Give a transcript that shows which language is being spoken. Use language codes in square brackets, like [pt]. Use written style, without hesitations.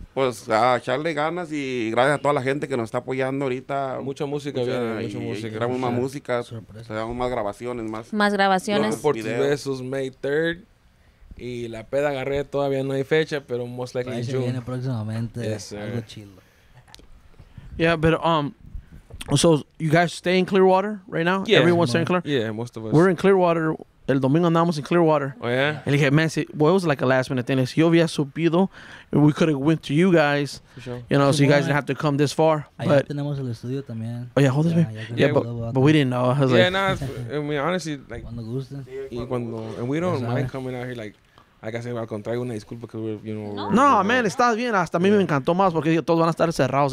[es] Pues a echarle ganas y gracias a toda la gente que nos está apoyando ahorita. Mucha música, bien, mucha música. Queremos más música, tenemos más grabaciones, más. Más grabaciones. Por tus besos, May 3rd. Y la peda agarré, todavía no hay fecha, pero [en] most likely June. [es] Viene próximamente. [en] Yes, [es] algo chido. [en] Yeah, pero, so you guys stay in Clearwater right now? Yeah. Everyone's staying in Clearwater? Yeah, most of us. We're in Clearwater. El domingo andamos en Clearwater. Oh, yeah? And he said, man, see, well, it was like a last minute thing. [es] Si yo había subido, [en] we could have went to you guys. For sure. You know, so you guys didn't have to come this far. But [es] tenemos el estudio también. [en] Oh, yeah, hold this, yeah, man. Yeah, but we didn't know. I was and we don't mind coming out here, like I said, [es] al contrario, una disculpa, [en] because we're, you know. [es] No, man, está bien. Hasta a mí me encantó más, porque todos van a estar cerrados.